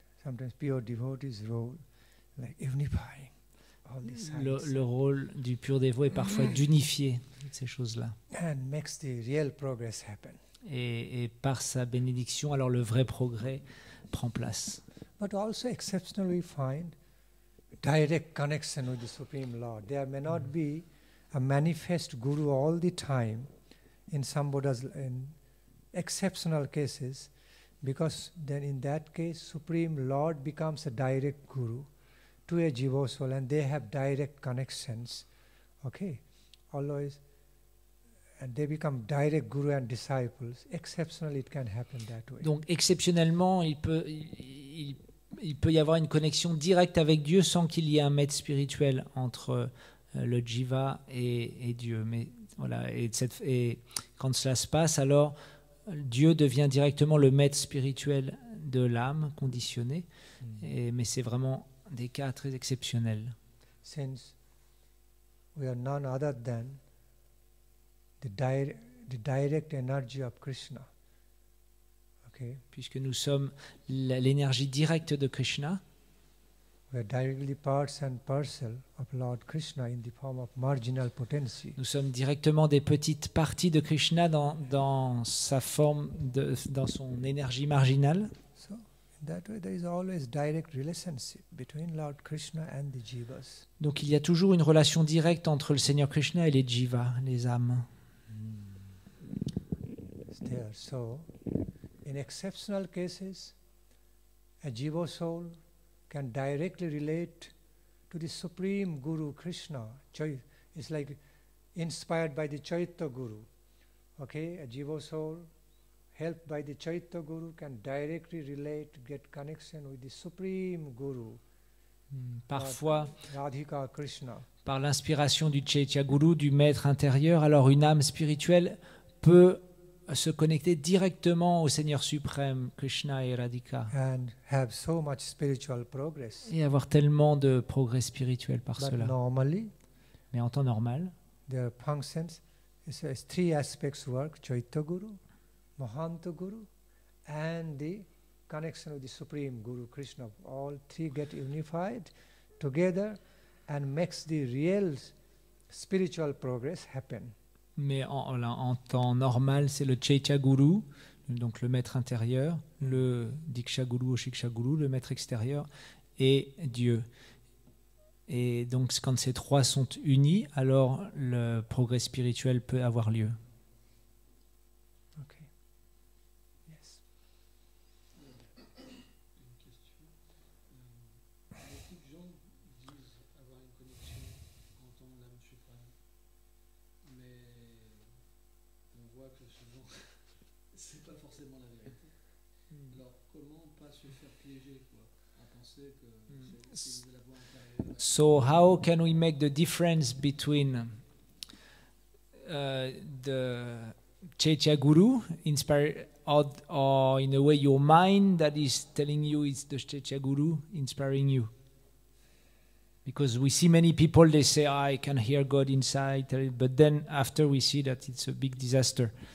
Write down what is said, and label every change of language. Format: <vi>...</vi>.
<en>Sometimes pure devotee's role, like unifying all these things.</en> <fr>Le rôle du pur dévot est parfois d'unifier ces choses-là.</fr> <en>And makes the real progress happen.</en> <fr>Et par sa bénédiction, alors le vrai progrès prend place.</fr> <en>But also exceptionally find direct connection with the Supreme Lord. There may not be a manifest guru all the time in some Buddha's, in exceptional cases. Because then in that case, Supreme Lord becomes a direct guru to a jiva soul, and they have direct connections, okay? Always, and they become direct guru and disciples. Exceptionally, it can happen that way.</en> <fr>Donc, exceptionnellement, il peut y avoir une connexion directe avec Dieu sans qu'il y ait un maître spirituel entre le jiva et Dieu. Mais voilà, et quand cela se passe, alors Dieu devient directement le maître spirituel de l'âme conditionnée, mais c'est vraiment des cas très exceptionnels.</fr> <en>Since we are none other than the direct energy of Krishna, okay.</en> <fr>Puisque nous sommes l'énergie directe de Krishna,</fr> <en>we are directly parts and parcel of Lord Krishna in the form of marginal potency.</en> <fr>Nous sommes directement des petites parties de Krishna dans sa forme dans son énergie marginale.</fr> <en>So in that way, there is always direct relationship between Lord Krishna and the jivas.</en> <fr>Donc il y a toujours une relation directe entre le Seigneur Krishna et les jivas, les âmes.</fr> <en>There. So in exceptional cases, a jiva soul can directly relate to the Supreme Guru Krishna. It's like inspired by the Chaitanya Guru. Okay, a jiva soul helped by the Chaitanya Guru can directly relate, get connection with the Supreme Guru.</en> <fr>Parfois, Radhika Krishna. Par l'inspiration du Chaitanya Guru, du maître intérieur, alors une âme spirituelle peut se connecter directement au Seigneur suprême Krishna et Radhika</fr> <en>and have so much spiritual progress.</en> <fr>Et avoir tellement de progrès spirituel par</fr> <en>But</en> <fr>cela.</fr> <en>Normally,</en> <fr>mais en temps normal,</fr> <en>there functions is three aspects work: Chaitanya Guru, Mahanta Guru, and the connection with the Supreme Guru Krishna. All three get unified together and makes the real spiritual progress happen.</en> <fr>Mais en temps normal, c'est le Chaitanya Guru, donc le maître intérieur, le Diksha Guru ou Shiksha Guru, le maître extérieur, et Dieu. Et donc, quand ces trois sont unis, alors le progrès spirituel peut avoir lieu.</fr> <en>Ok. Yes.</en> <fr>Une question. Beaucoup de gens disent avoir une connexion en tant que l'âme suprême. Mais on voit que souvent, ce n'est pas forcément la vérité. Alors, comment ne pas se faire piéger, quoi, à penser que c'est la voie intérieure?</fr> <en>So how can we make the difference between the Chaitanya Guru inspired, or in a way your mind that is telling you it's the Chaitanya Guru inspiring you? Because we see many people, they say, oh, I can hear God inside, but then after we see that it's a big disaster.</en>